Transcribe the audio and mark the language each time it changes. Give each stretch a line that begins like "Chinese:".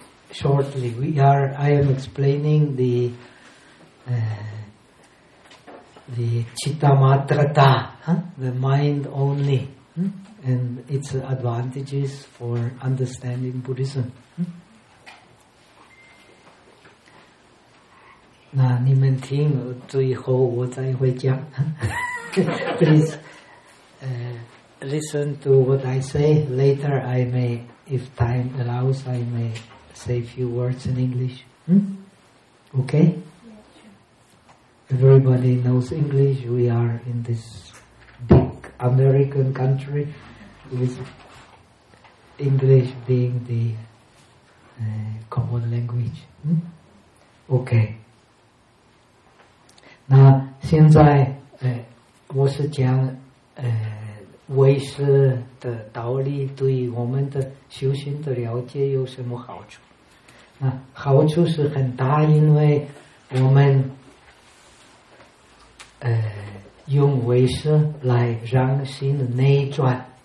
English: Shortly, I am explaining the citta matrata, the mind only, and its advantages for understanding Buddhism.
Chinese: Na, 你们听，最后我再会讲。
English: Please, listen to what I say. Later, I may, if time allows, I may. Say a few words in English. Okay? Yeah, sure. Everybody knows English. We are in this big American country with English being the common language. Okay.
Chinese: 那现在我是讲唯识的道理对我们的修行的了解有什么好处。那好处是很大，因为我们用唯识来让心的内转。